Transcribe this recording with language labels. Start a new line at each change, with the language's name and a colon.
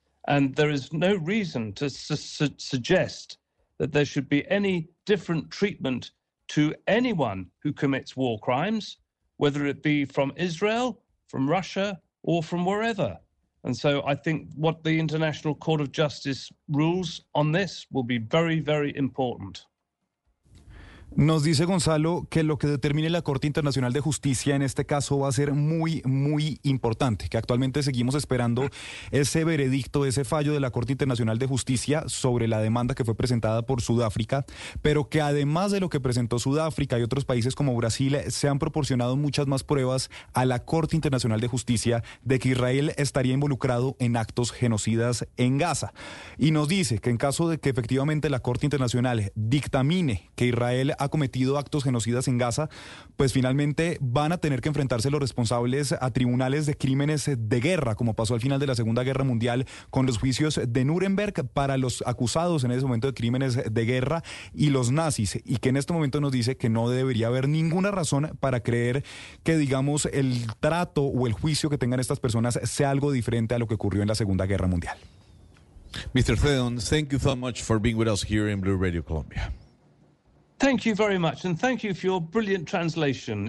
English: And there is no reason to suggest that there should be any different treatment to anyone who commits war crimes, whether it be from Israel, from Russia, or from wherever. And so I think what the International Court of Justice rules on this will be very, very important.
Spanish: Nos dice Gonzalo que lo que determine la Corte Internacional de Justicia en este caso va a ser muy, muy importante, que actualmente seguimos esperando ese veredicto, ese fallo de la Corte Internacional de Justicia sobre la demanda que fue presentada por Sudáfrica, pero que además de lo que presentó Sudáfrica y otros países como Brasil, se han proporcionado muchas más pruebas a la Corte Internacional de Justicia de que Israel estaría involucrado en actos genocidas en Gaza. Y nos dice que en caso de que efectivamente la Corte Internacional dictamine que Israel ha cometido actos genocidas en Gaza, pues finalmente van a tener que enfrentarse los responsables a tribunales de crímenes de guerra, como pasó al final de la Segunda Guerra Mundial con los juicios de Nuremberg para los acusados en ese momento de crímenes de guerra y los nazis, y que en este momento nos dice que no debería haber ninguna razón para creer que, digamos, el trato o el juicio que tengan estas personas sea algo diferente a lo que ocurrió en la Segunda Guerra Mundial.
English: Mr. Theon, thank you so much for being with us here in Blue Radio Colombia. Thank you very much, and thank you for your brilliant translation.